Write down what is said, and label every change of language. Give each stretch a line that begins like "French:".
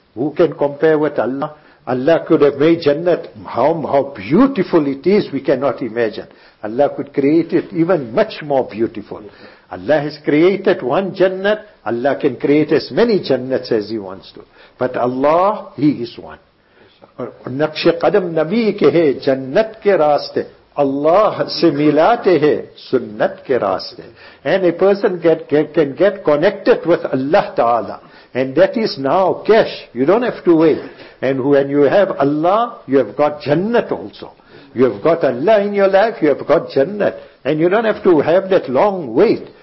English: Who can compare with Allah? Allah could have made Jannat. How beautiful it is, we cannot imagine. Allah could create it even much more beautiful. Allah has created one Jannat. Allah can create as many Jannats as He wants to. But Allah, He is one.
Urdu: نقشِ قدم نبی کے ہے جنت کے راستے اللہ سے ملاتے ہیں سنت کے راستے.
English: And a person can get connected with Allah Ta'ala. And that is now cash. You don't have to wait. And when you have Allah, you have got Jannat also. You have got Allah in your life, you have got Jannat. And you don't have to have that long wait.